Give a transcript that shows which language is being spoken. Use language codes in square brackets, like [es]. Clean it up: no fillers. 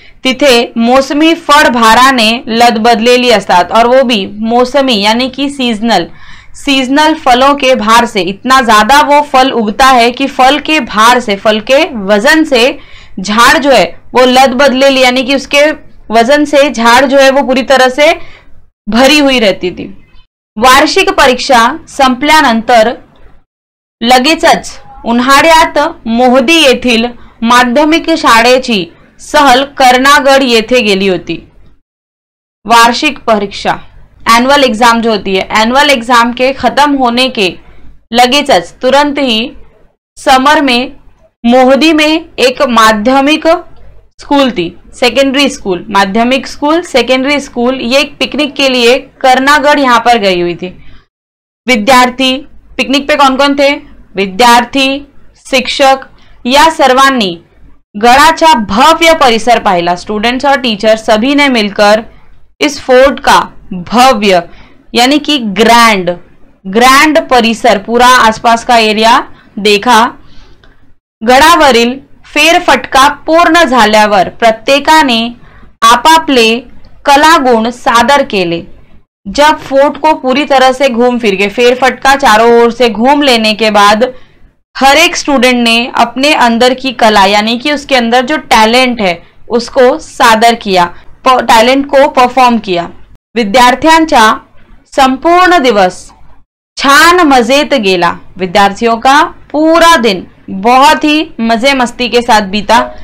[mr] तिथे मौसमी फल भारा ने लद बदले ली अस्तात, [hi] और वो भी मौसमी यानी कि सीजनल, सीजनल फलों के भार से, इतना ज्यादा वो फल उगता है कि फल के भार से, फल के वजन से झाड़ जो है वो लद बदले ली, यानी कि उसके वजन से झाड़ जो है वो पूरी तरह से भरी हुई रहती थी। [mr] वार्षिक परीक्षा संपल्यानंतर लगेचच उन्हाळ्यात मोहदी येथील माध्यमिक शाळेची सहल कर्णागड येथे गेली होती। [hi] वार्षिक परीक्षा एनुअल एग्जाम जो होती है, एनुअल एग्जाम के खत्म होने के लगेचच तुरंत ही समर में मोहदी में एक माध्यमिक स्कूल थी, सेकेंडरी स्कूल, माध्यमिक स्कूल सेकेंडरी स्कूल, ये एक पिकनिक के लिए कर्णागढ़ यहाँ पर गई हुई थी। विद्यार्थी पिकनिक पे कौन कौन थे? [mr] विद्यार्थी, शिक्षक या सर्वानी गड़ाचा भव्य परिसर पाहिला। [hi] स्टूडेंट्स और टीचर सभी ने मिलकर इस फोर्ट का भव्य यानी कि ग्रैंड, ग्रैंड परिसर, पूरा आसपास का एरिया देखा। [mr] गडावरील फेरफटका पूर्ण झाल्यावर प्रत्येकाने आपापले कला गुण सादर केले। [hi] जब फोर्ट को पूरी तरह से घूम फिर के, फेरफटका चारों ओर से घूम लेने के बाद हर एक स्टूडेंट ने अपने अंदर की कला यानी कि उसके अंदर जो टैलेंट है उसको सादर किया, टैलेंट को परफॉर्म किया। [mr] विद्यार्थ्यांचा संपूर्ण दिवस छान मजेत गेला, [hi] विद्यार्थियों का पूरा दिन बहुत ही मजे मस्ती के साथ बीता।